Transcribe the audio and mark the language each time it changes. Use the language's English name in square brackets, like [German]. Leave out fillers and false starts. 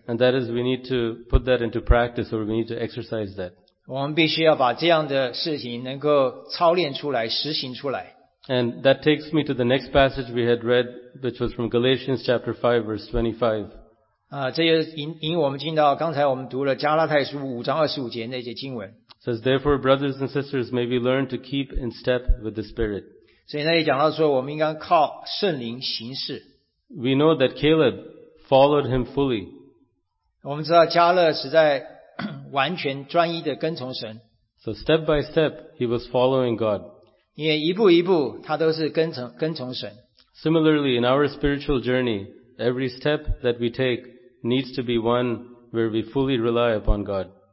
[English] And that is we need to put that into practice, or we need to exercise that. [Chinese] 我们必须要把这样的事情能够操练出来，实行出来。 [English] And that takes me to the next passage we had read, which was from Galatians chapter 5, verse 25. [Chinese] 这也引我们进到刚才我们读了加拉太书5章25节那节经文。 [English] It says, therefore, brothers and sisters, may we learn to keep in step with the Spirit. [Chinese] 所以那也讲到说，我们应该靠圣灵行事。 [English] We know that Caleb followed him fully. [Chinese] 我们知道加勒实在 完全专一的跟从神。 [English] So step by step, he was following God. [Chinese] 因为一步一步，他都是跟从神。 [English] Similarly, in our spiritual journey, every step that we take needs to be one where we fully rely upon God.